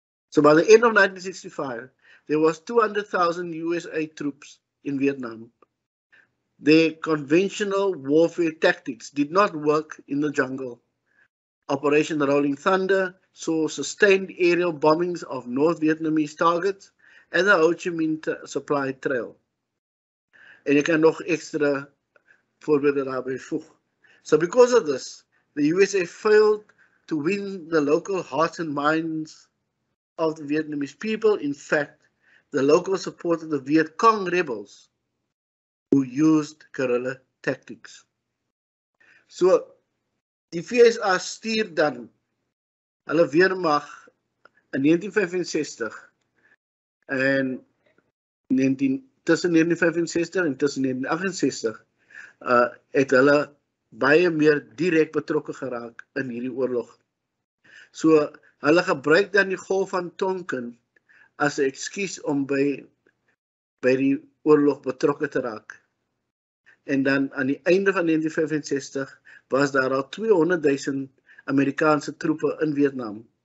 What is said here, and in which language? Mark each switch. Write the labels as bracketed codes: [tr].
[en] So by the end of 1965, there was 200,000 USA troops in Vietnam. Their conventional warfare tactics did not work in the jungle. Operation Rolling Thunder saw sustained aerial bombings of North Vietnamese targets and the Ho Chi Minh supply trail. [af] En jy kan nog ekstra voorbeelde daarby voeg. [en] So because of this, the USA failed to win the local hearts and minds of the Vietnamese people. In fact, the local support of the Viet Cong rebels who used guerrilla tactics. [af] So die VSA stuur dan hulle weermag in 1965 en 1968 het hulle baie meer direk betrokke geraak in hierdie oorlog. So hulle gebruik dan die golf van Tonkin as 'n ekskuus om by die oorlog betrokke te raak. En dan aan die einde van 1965 was daar al 200,000 Amerikaanse troepe in Vietnam.